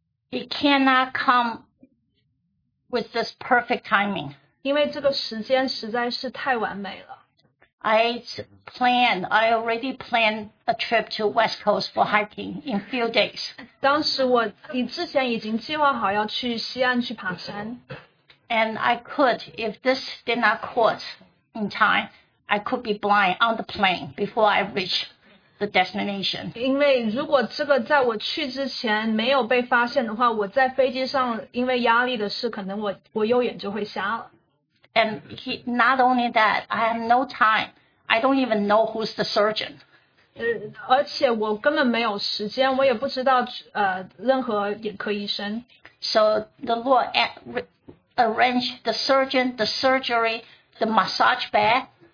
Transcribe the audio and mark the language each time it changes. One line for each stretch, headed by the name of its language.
English: He cannot come with this perfect timing.
Chinese: 因为这个时间实在是太完美了。
English: I already planned a trip to West Coast for hiking in a few days.
Chinese: 当时我之前已经计划好要去西岸去爬山。
English: And I could, if this did not cause in time, I could be blind on the plane before I reach. The destination.
Chinese: 因为如果这个在我去之前没有被发现的话，我在飞机上因为压力的事，可能我右眼就会瞎了。
English: And not only that, I have no time. I don't even know who's the surgeon.
Chinese: 而且我根本没有时间，我也不知道任何眼科医生。
English: So the Lord arranged the surgeon, the surgery, the massage bed.